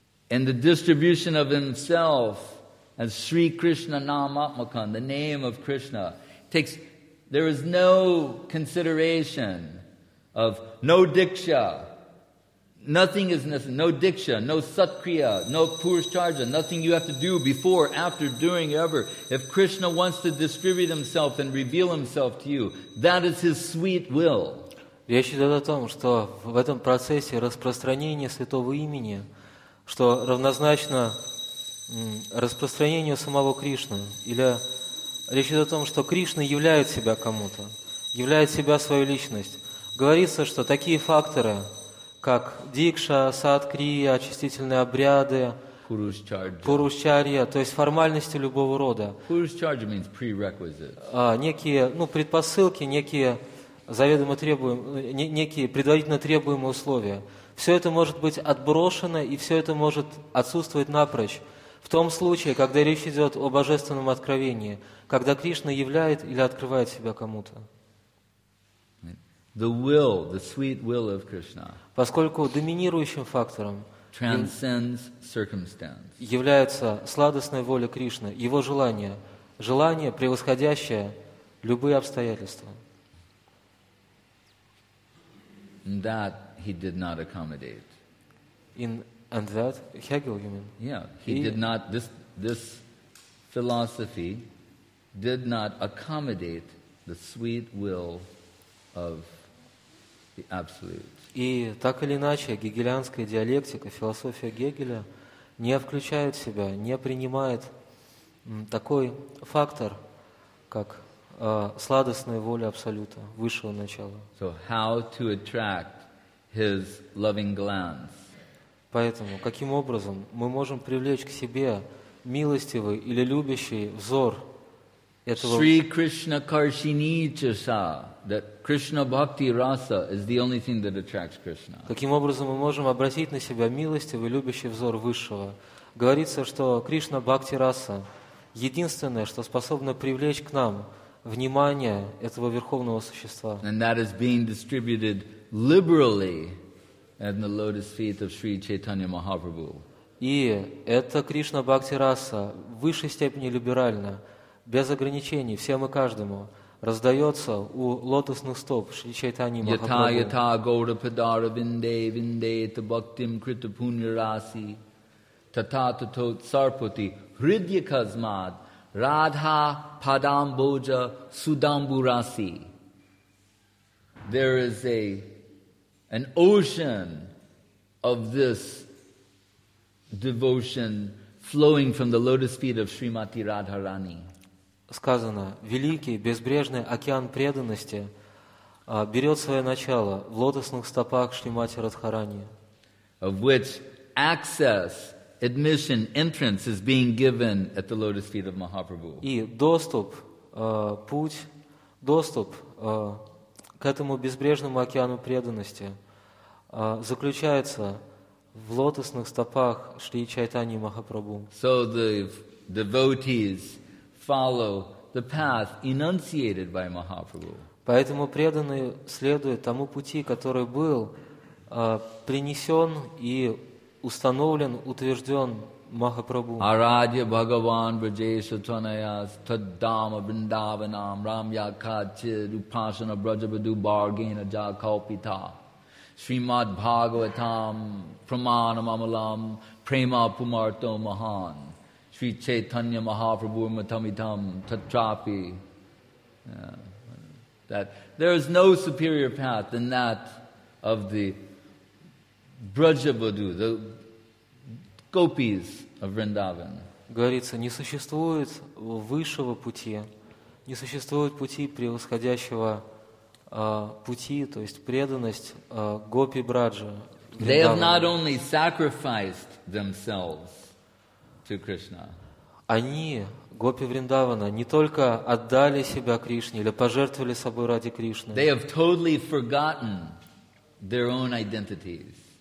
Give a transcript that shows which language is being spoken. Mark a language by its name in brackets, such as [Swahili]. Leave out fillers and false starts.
[English] In the distribution of himself as shri krishna namatmaka, the name of krishna, takes, there is no consideration of no diksha. Nothing is necessary, no diksha, no satkriya, no purushcharja, nothing you have to do before, after, during, ever. If Krishna wants to distribute himself and reveal himself to you, that is his sweet will. [Russian] Речь идет о том, что в этом процессе распространения святого имени, что равнозначно распространению самого Кришны, или речь идет о том, что Кришна являет себя кому-то, являет себя свою личность. Говорится, что такие факторы, как дикша, садкрия, очистительные обряды, пурушчарья, то есть формальности любого рода. [English] Пурушчарджа means prerequisites. [Russian] Некие, ну, предпосылки, некие заведомо требуемые, некие предварительно требуемые условия. Все это может быть отброшено, и все это может отсутствовать напрочь. В том случае, когда речь идет о божественном откровении, когда Кришна являет или открывает себя кому-то. [English] The will, the sweet will of Krishna. [Russian] Поскольку доминирующим фактором [English] transcends circumstance. [Russian] Является сладостная воля Кришны, его желание, желание, превосходящее любые обстоятельства. [English] And that he did not accommodate. And that Hegel, you mean? Yeah, he did not, this philosophy did not accommodate the sweet will of the absolute. [Russian] И так или иначе, гегелианская диалектика, философия Гегеля не включает в себя, не принимает такой фактор, как сладостная воля Абсолюта, высшего начала. [English] So how to attract his loving glance? [Russian] Поэтому, каким образом мы можем привлечь к себе милостивый или любящий взор этого... [Sanskrit] Шри Кришна Каршини Чаша. [English] That Krishna Bhakti Rasa is the only thing that attracts Krishna. [Russian] Каким образом мы можем обратить на себя милостивый и любящий взор Высшего? Говорится, что Кришна Бхакти Раса единственное, что способно привлечь к нам внимание этого Верховного Существа. [English] And that is being distributed liberally at the lotus feet of Sri Chaitanya Mahaprabhu. [Russian] И это Кришна Бхакти Раса в высшей степени либерально, без ограничений, всем и каждому. Раздается у лотосных стоп Шри Чайтани Махапрабху. [Sanskrit] Ята, ята, гора, падара, винде, винде, та бхактим, крита, пуни, раси, тата, тато, царпути, хридья, казмад, радха, падам, боджа, судамбу, раси. [English] There is an ocean of this devotion flowing from the lotus feet of Shrimati Radharani. [Russian] Сказано, великий безбрежный океан преданности берет свое начало в лотосных стопах Шримати Радхарани. [English] Of which access, admission, entrance is being given at the lotus feet of Mahaprabhu. [Russian] И доступ, путь, доступ к этому безбрежному океану преданности заключается в лотосных стопах Шри Чайтани Махапрабху. [English] So the devotees follow the path enunciated by Mahaprabhu. [Russian] Поэтому преданные следуют тому пути, который был принесен и установлен, утвержден Махапрабху. [Sanskrit] Арадья Бхагаван Браджеша Тванаяс Таддама Бриндаванам Рамья Качид Упашана Браджабаду Баргена Джакалпита Srimad Bhagavatam Pramanam Amalam Prema Pumarto Mahan Sri Chaitanya Mahaprabhu Matamitam Tatrapi. [English] That there is no superior path than that of the Brajavadu, the gopis of Vrindavan. [Russian] Говорится, не существует высшего пути, не существует пути превосходящего пути, то есть преданность гопи Браджа. [English] They have not only sacrificed themselves to Krishna. [Russian] Они, гопи Вриндавана, не только отдали себя Кришне или пожертвовали собой ради Кришны. [English] They have totally forgotten their own identities.